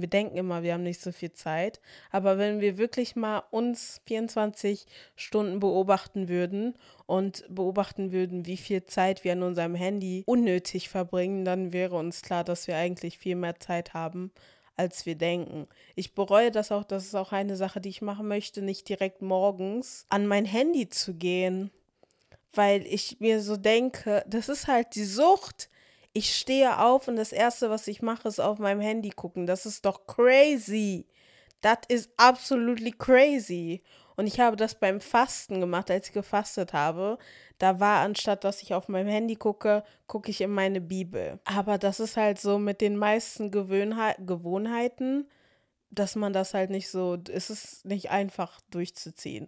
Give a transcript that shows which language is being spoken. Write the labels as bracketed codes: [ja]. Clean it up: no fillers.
[de] Wir denken immer, wir haben nicht so viel Zeit. Aber wenn wir wirklich mal uns 24 Stunden beobachten würden und beobachten würden, wie viel Zeit wir an unserem Handy unnötig verbringen, dann wäre uns klar, dass wir eigentlich viel mehr Zeit haben, als wir denken. Ich bereue das auch, das ist auch eine Sache, die ich machen möchte, nicht direkt morgens an mein Handy zu gehen, weil ich mir so denke, das ist halt die Sucht. Ich stehe auf und das Erste, was ich mache, ist auf meinem Handy gucken. Das ist doch crazy. [en] That is absolutely crazy. [de] Und ich habe das beim Fasten gemacht, als ich gefastet habe. Da war, anstatt dass ich auf meinem Handy gucke, gucke ich in meine Bibel. Aber das ist halt so mit den meisten Gewohnheiten, dass man das halt nicht so, es ist nicht einfach durchzuziehen.